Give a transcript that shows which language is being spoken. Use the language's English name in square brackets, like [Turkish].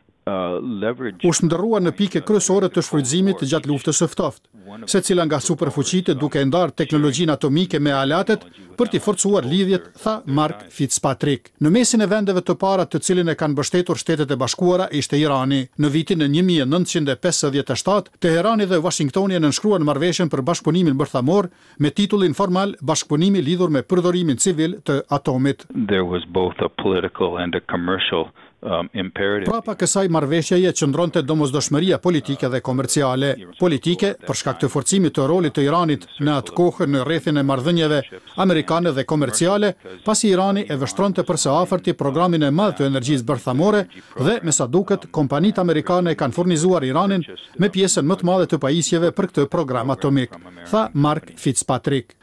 [Albanian] U shndërrua në pike kryesore të shfrytëzimit gjatë luftës së ftoftë, secila nga superfuqitë duke ndarë teknologjinë atomike me aleatet për t'i forcuar lidhjet, tha Mark Fitzpatrick. Në mesin e vendeve të para të cilin e kanë mbështetur Shtetet e Bashkuara ishte Irani. Në vitin e 1957, Teherani dhe Washingtoni nënshkruan marrëveshjen për bashkëpunimin bërthamor me titullin formal Bashkëpunimi lidhur me përdorimin civil të atomit. [English] There was both a political and a commercial imperative. [Albanian] Prapa kësaj marrëveshjeje qëndronte domosdoshmëria politike dhe komerciale. Politike, për shkak të forcimit të rolit të Iranit në atë kohë në rrethin e marrëdhënieve amerikane dhe komerciale, pasi Irani e vështronte për së afërti programin e madh të energjisë bërthamore dhe, me sa duket, kompanitë amerikane kanë furnizuar Iranin me pjesën më të madhe të pajisjeve për këtë program atomik, tha Mark Fitzpatrick.